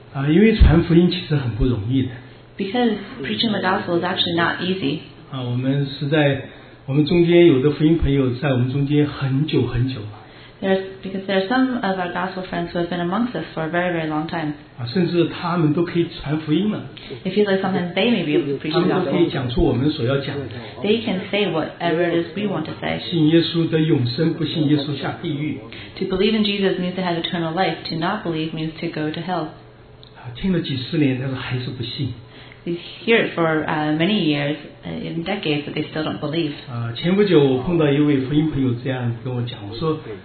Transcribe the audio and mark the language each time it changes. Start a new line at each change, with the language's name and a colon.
Chinese: 因为传福音其实很不容易的。
English: Because preaching the gospel is actually not easy.
Chinese: 我们实在，我们中间有的福音朋友在我们中间很久很久了。
English: Because there are some of our gospel friends who have been amongst us for a very, very long time.
Chinese: 甚至他们都可以传福音了。
English: It feels like sometimes they may be able to preach the gospel.
Chinese: 他们都可以讲出我们所要讲的。
English: They can say whatever it is we want to say.
Chinese: 信耶稣得永生，不信耶稣下地狱。
English: To believe in Jesus means to have eternal life. To not believe means to go to hell.
Chinese: 听了几十年，但是还是不信。
English: They hear it for many years, in decades, but they still don't believe.
Chinese: 前不久我碰到一位福音朋友这样跟我讲，我说，